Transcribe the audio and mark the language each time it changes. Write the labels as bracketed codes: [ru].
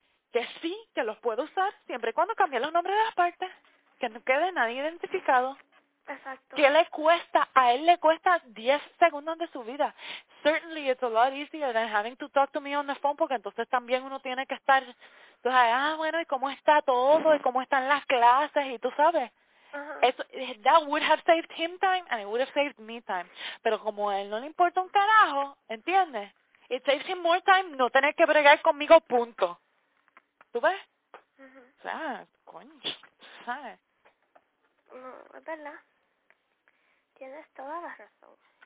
[es] Que sí, que los puedo usar siempre y cuando cambie los nombres de las partes, que no quede nadie identificado. Exacto. ¿Qué le cuesta? A él le cuesta 10 segundos de su vida. [en] Certainly it's a lot easier than having to talk to me on the phone, [es] porque entonces también uno tiene que estar, tú sabes, ah, bueno, ¿y cómo está todo? ¿Y cómo están las clases? Y tú sabes. Uh-huh. Eso, [en] that would have saved him time and it would have saved me time. [es] Pero como a él no le importa un carajo, ¿entiendes? [en] It saves him more time [es] no tener que bregar conmigo, punto. ¿Tú ves? Uh-huh. O sea, coño, ¿sabes? No, es verdad. Tienes toda la razón.